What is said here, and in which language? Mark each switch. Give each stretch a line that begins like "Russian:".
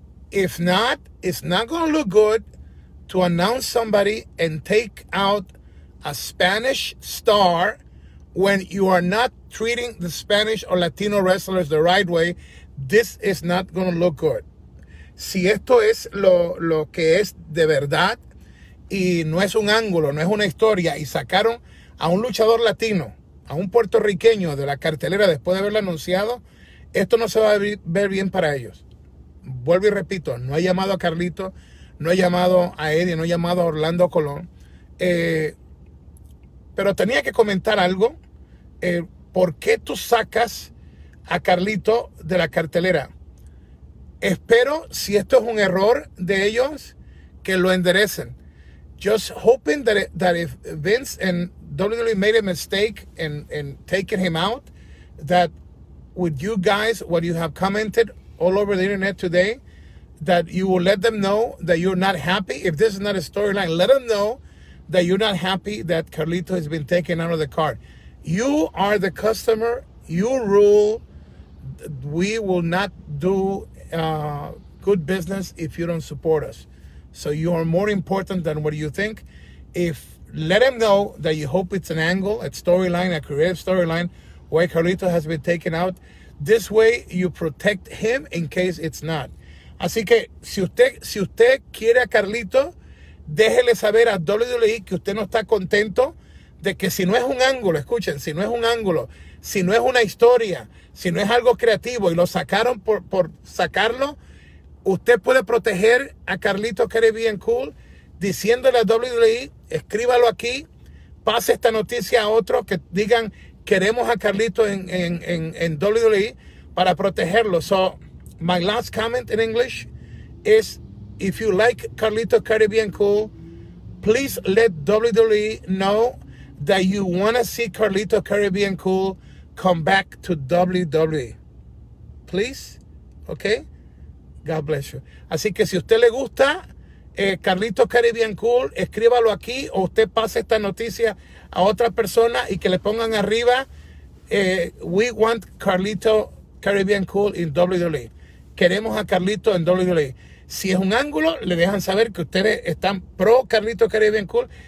English: If not, it's not gonna look good to announce somebody and take out a Spanish star when you are not treating the Spanish or Latino wrestlers the right way. This is not gonna look good.
Spanish: Si esto es lo que es de verdad y no es un ángulo, no es una historia, y sacaron a un luchador latino, a un puertorriqueño de la cartelera después de haberlo anunciado, esto no se va a ver bien para ellos. Vuelvo y repito, no he llamado a Carlito, no he llamado a Eddie, no he llamado a Orlando Colón. Pero tenía que comentar algo. ¿Por qué tú sacas a Carlito de la cartelera? Espero, si esto es un error de ellos, que lo enderecen.
English: Just hoping that if Vince and WWE made a mistake in taking him out, that with you guys, what you have commented all over the internet today, that you will let them know that you're not happy. If this is not a storyline, let them know that you're not happy that Carlito has been taken out of the card. You are the customer. You rule. We will not do good business if you don't support us. So you are more important than what you think. If let them know that you hope it's an angle, a storyline, a creative storyline, why Carlito has been taken out. This way you protect him in case it's not.
Spanish: Así que si usted quiere a Carlito, déjele saber a WWE que usted no está contento de que si no es un ángulo, escuchen, si no es un ángulo, si no es una historia, si no es algo creativo y lo sacaron por sacarlo, usted puede proteger a Carlito Caribbean Cool diciéndole a WWE, escríbalo aquí, pase esta noticia a otros que digan queremos a Carlito en WWE para protegerlo.
English: So, my last comment in English is, if you like Carlito Caribbean Cool, please let WWE know that you want to see Carlito Caribbean Cool come back to WWE. Please, okay? God bless you.
Spanish: Así que si usted le gusta Carlito Caribbean Cool, escríbalo aquí o usted pase esta noticia a otra persona y que le pongan arriba,
English: we want Carlito Caribbean Cool in WWE.
Spanish: Queremos a Carlito en WWE. Si es un ángulo, le dejan saber que ustedes están pro Carlito Caribbean Cool.